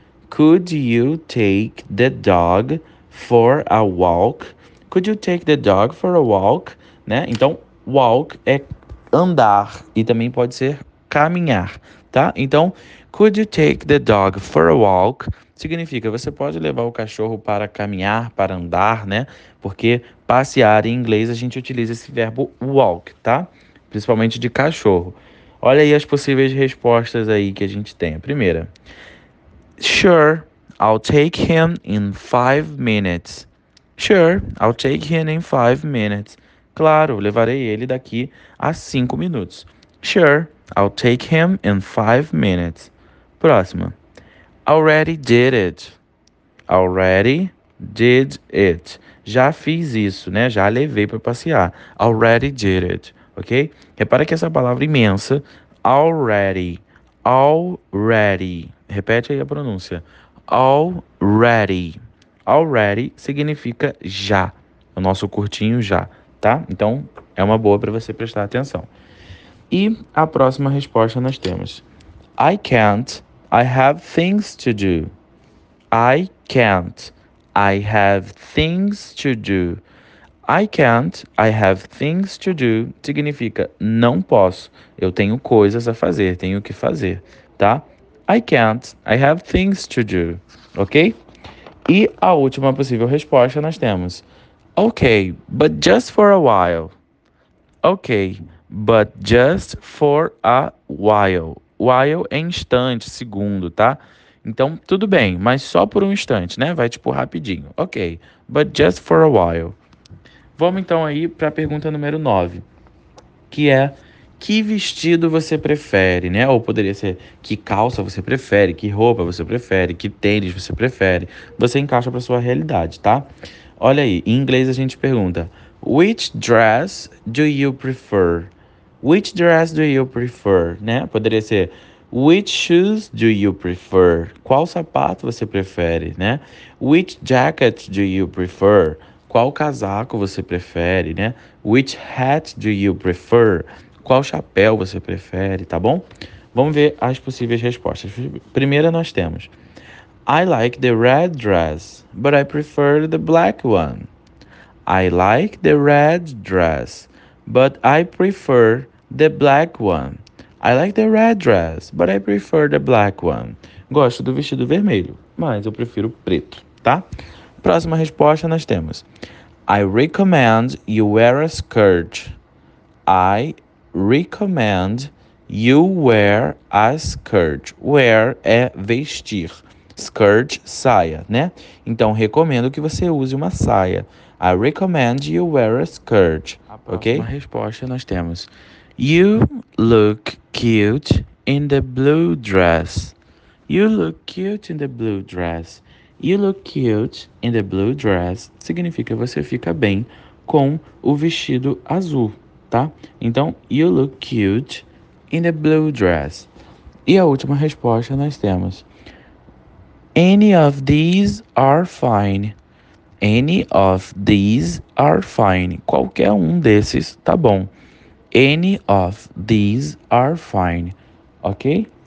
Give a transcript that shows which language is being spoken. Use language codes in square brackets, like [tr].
[en] Could you take the dog for a walk? Could you take the dog for a walk? [pt] Né? Então, walk é andar e também pode ser caminhar, tá? [en] Então, could you take the dog for a walk? [pt] Significa, você pode levar o cachorro para caminhar, para andar, né? Porque passear em inglês a gente utiliza esse verbo walk, tá? Principalmente de cachorro. Olha aí as possíveis respostas aí que a gente tem. A primeira, [en] sure, I'll take him in 5 minutes. Sure, I'll take him in 5 minutes. [pt] Claro, levarei ele daqui a 5 minutos. [en] Sure, I'll take him in 5 minutes. [pt] Próxima, [en] already did it. Already did it. [pt] Já fiz isso, né? Já levei para passear. [en] Already did it, [pt] ok? Repara que essa palavra imensa, already, already. Repete aí a pronúncia. Already. Already significa já. O nosso curtinho já, tá? Então, é uma boa para você prestar atenção. E a próxima resposta nós temos, [en] I can't, I have things to do. I can't, I have things to do. I can't, I have things to do. [pt] Significa, não posso. Eu tenho coisas a fazer, tenho que fazer, tá? [en] I can't, I have things to do. Ok? [pt] E a última possível resposta nós temos, [en] ok, but just for a while. Ok, but just for a while. [pt] While é instante, segundo, tá? Então, tudo bem, mas só por um instante, né? Vai, tipo, rapidinho. [en] Ok, but just for a while. [pt] Vamos, então, aí para a pergunta número 9, que é, que vestido você prefere, né? Ou poderia ser, que calça você prefere, que roupa você prefere, que tênis você prefere. Você encaixa para sua realidade, tá? Olha aí, em inglês a gente pergunta, [en] which dress do you prefer? [pt] Which dress do you prefer, né? Poderia ser, [en] Which shoes do you prefer? [pt] Qual sapato você prefere, né? [en] Which jacket do you prefer? [pt] Qual casaco você prefere, né? [en] Which hat do you prefer? [pt] Qual chapéu você prefere, tá bom? Vamos ver as possíveis respostas. Primeira nós temos: [en] I like the red dress, but I prefer the black one. I like the red dress, but I prefer the black one. I like the red dress, but I prefer the black one. [pt] Gosto do vestido vermelho, mas eu prefiro preto, tá? Próxima resposta nós temos: [en] I recommend you wear a skirt. I recommend you wear a skirt. [pt] Wear é vestir. Skirt, saia, né? Então, recomendo que você use uma saia. [en] I recommend you wear a skirt. Ok? [pt] A próxima resposta nós temos: [en] You look cute in the blue dress. You look cute in the blue dress. You look cute in the blue dress. [pt] Significa você fica bem com o vestido azul, tá? [en] Então, you look cute in the blue dress. [pt] E a última resposta nós temos: [en] Any of these are fine. Any of these are fine. [pt] Qualquer um desses tá bom. [en] Any of these are fine. Ok?